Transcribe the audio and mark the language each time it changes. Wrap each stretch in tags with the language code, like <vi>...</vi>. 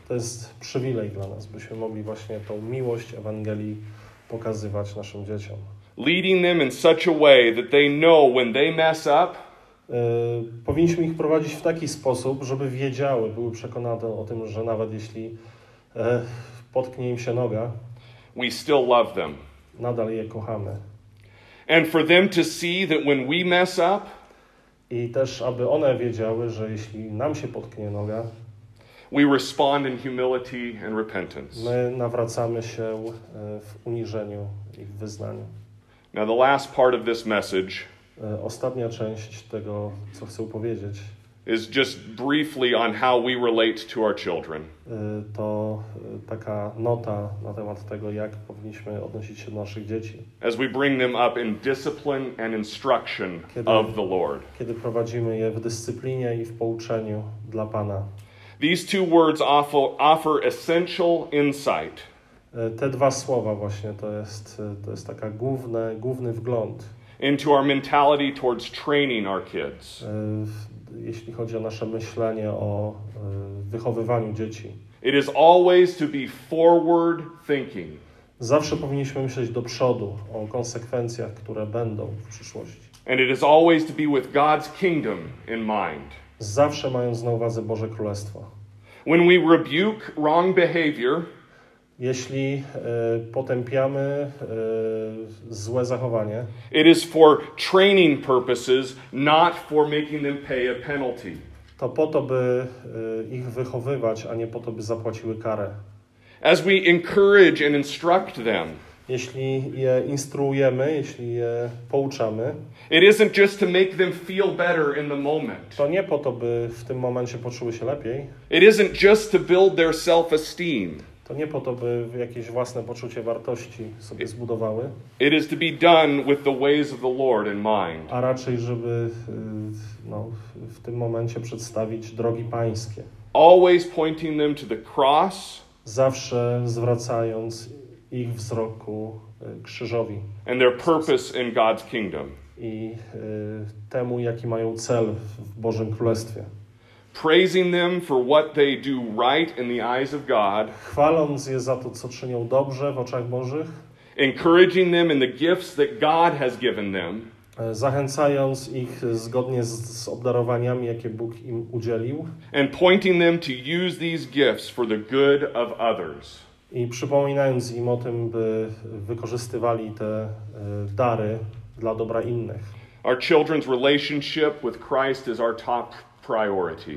<pl>To jest przywilej dla nas, byśmy mogli właśnie tą miłość Ewangelii pokazywać naszym dzieciom.</pl> <en>Leading them in such a way that they know when they mess up.</en> <pl>Powinniśmy ich prowadzić w taki sposób, żeby wiedziały, były przekonane o tym, że nawet jeśli potknie im się noga,</pl> <en>we still love them.</en> <pl>Nadal je kochamy.</pl> <en>And for them to see that when we mess up,</en> <pl>i też aby one wiedziały, że jeśli nam się potknie noga,</pl> <en>we respond in humility and repentance.</en> <pl>My nawracamy się w uniżeniu i w wyznaniu.</pl> <en>Now the last part of this message.</en> <pl>Ostatnia część tego, co chcę powiedzieć,</pl> <en>is just briefly on how we relate to our children.</en> <pl>To taka nota na temat tego, jak powinniśmy odnosić się do naszych dzieci.</pl> <en>As we bring them up in discipline and instruction of the Lord.</en> <pl>Kiedy prowadzimy je w dyscyplinie i w pouczeniu dla Pana.</pl> <en>These two words offer essential insight.</en> <pl>Te dwa słowa właśnie, to jest taka główny wgląd.</pl> <en>Into our mentality towards training our kids.</en> <pl>Jeśli chodzi o nasze myślenie o wychowywaniu dzieci.</pl> <en>It is always to be forward thinking.</en> <pl>Zawsze powinniśmy myśleć do przodu o konsekwencjach, które będą w przyszłości.</pl> <en>And it is always to be with God's kingdom in mind.</en> <pl>Zawsze mając na uwadze Boże Królestwo.</pl> <en>When we rebuke wrong behavior,</en> <pl>jeśli potępiamy złe zachowanie,</pl> <en>it is for training purposes, not for making them pay a penalty.</en> <pl>To po to, by ich wychowywać, a nie po to, by zapłaciły karę.</pl> <en>As we encourage and instruct them,</en> <pl>jeśli je instruujemy, jeśli je pouczamy,</pl> <en>it isn't just to make them feel better in the moment.</en> <pl>To nie po to, by w tym momencie poczuły się lepiej.</pl> <en>It isn't just to build their self-esteem.</en> <pl>To nie po to, by jakieś własne poczucie wartości sobie zbudowały.</pl> <en>It is to be done with the ways of the Lord in mind.</en> <pl>A raczej, żeby no, w tym momencie przedstawić drogi pańskie.</pl> <en>Always pointing them to the cross.</en> <pl>Zawsze zwracając ich wzroku krzyżowi.</pl> <en>And their purpose in God's kingdom.</en> <pl>I temu, jaki mają cel w Bożym Królestwie.</pl> <en>Praising them for what they do right in the eyes of God.</en> <pl>Chwaląc je za to, co czynią dobrze w oczach Bożych.</pl> <en>Encouraging them in the gifts that God has given them.</en> <pl>Zachęcając ich zgodnie z obdarowaniami, jakie Bóg im udzielił.</pl> <en>And pointing them to use these gifts for the good of others.</en> <pl>I przypominając im o tym, by wykorzystywali te dary dla dobra innych.</pl> <en>Our children's relationship with Christ is our top priority.</en>